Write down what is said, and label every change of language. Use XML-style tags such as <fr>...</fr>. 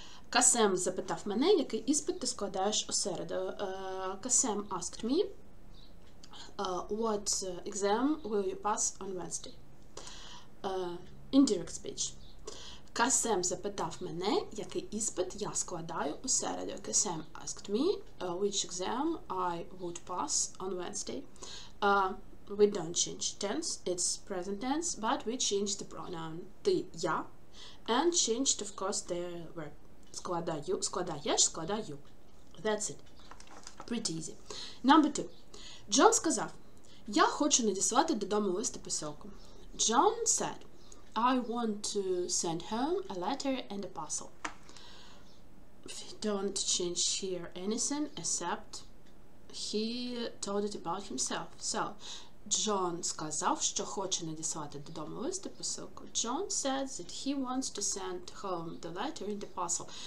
<uk>Касем запитав мене, який іспит ти складаєш у середу.</uk> <en>Касем asked me, what exam will you pass on Wednesday? Indirect speech.</en> <uk>Касем запитав мене, який іспит я складаю у середу.</uk> <en>Касем asked me, which exam I would pass on Wednesday. We don't change tense, it's present tense, but we change the pronoun ти, я, and changed, of course, the verb.</en> <uk>Складаю, складаєш, складаю.</uk> <en>That's it. Pretty easy. Number 2.</en> <uk>Джон сказав, я хочу надіслати додому листа посилку.</uk> <en>Джон said, I want to send home a letter and a parcel. We don't change here anything except he told it about himself.</en> <uk>So, Джон сказав, що хоче надіслати додому листа посилку.</uk> <en>Джон said that he wants to send home the letter and the parcel.</en>